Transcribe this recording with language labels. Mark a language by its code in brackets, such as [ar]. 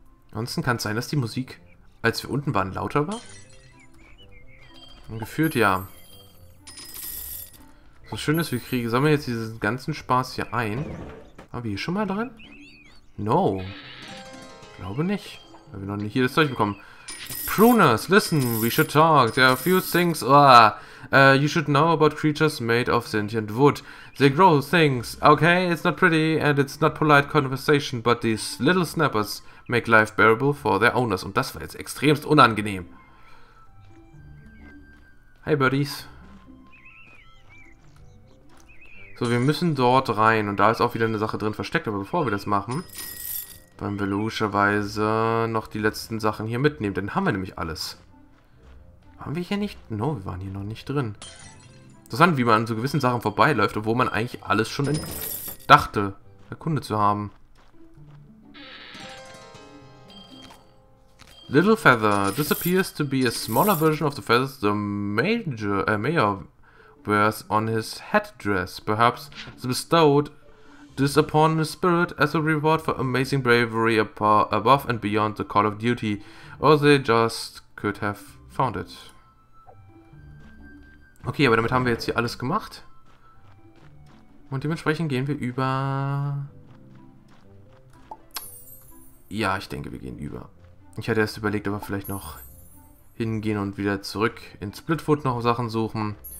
[de] Ansonsten kann es sein, dass die Musik, als wir unten waren, lauter war. Gefühlt ja. Das Schöne ist, wir kriegen, sammeln jetzt diesen ganzen Spaß hier ein. Waren wir hier schon mal drin? No. Glaube nicht. Weil wir noch nicht hier das Zeug bekommen. [en] Pruners, listen, we should talk. There are a few things. You should know about creatures made of sentient wood. They grow things. Okay, it's not pretty and it's not polite conversation, but these little snappers make life bearable for their owners. [de] Und das war jetzt extremst unangenehm. Hey, Birdies. So, wir müssen dort rein und da ist auch wieder eine Sache drin versteckt. Aber bevor wir das machen, wollen wir logischerweise noch die letzten Sachen hier mitnehmen. Dann haben wir nämlich alles. Waren wir hier nicht? No, wir waren hier noch nicht drin. Interessant, wie man an so gewissen Sachen vorbeiläuft, obwohl man eigentlich alles schon dachte, erkundet zu haben. [en] Little Feather. This appears to be a smaller version of the feathers the major, mayor. Wears on his headdress. Perhaps the bestowed this upon his spirit as a reward for amazing bravery above and beyond the call of duty. Or they just could have found it. [de] Okay, aber damit haben wir jetzt hier alles gemacht. Und dementsprechend gehen wir über. Ja, ich denke, wir gehen über. Ich hatte erst überlegt, ob wir vielleicht noch hingehen und wieder zurück in Splitwood noch Sachen suchen.